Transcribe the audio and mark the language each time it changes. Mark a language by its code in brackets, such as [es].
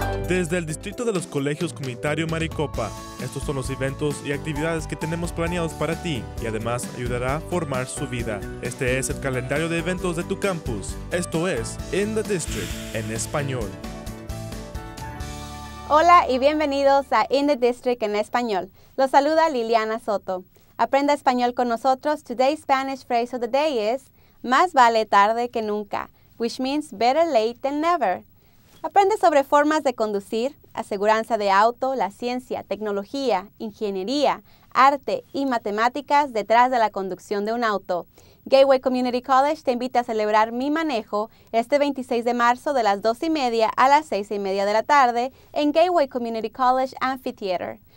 [es] Desde el Distrito de los Colegios Comunitario Maricopa, estos son los eventos y actividades que tenemos planeados para ti y además ayudará a formar su vida. Este es el calendario de eventos de tu campus. Esto es In the District en español. Hola y bienvenidos a In the District en español. Los saluda Liliana Soto. Aprenda español con nosotros. [en] Today's Spanish phrase of the day is [es] más vale tarde que nunca, [en] which means better late than never. [es] Aprende sobre formas de conducir, aseguranza de auto, la ciencia, tecnología, ingeniería, arte y matemáticas detrás de la conducción de un auto. Gateway Community College te invita a celebrar Mi Manejo este 26 de marzo de las 2:30 a las 6:30 de la tarde en Gateway Community College Amphitheater.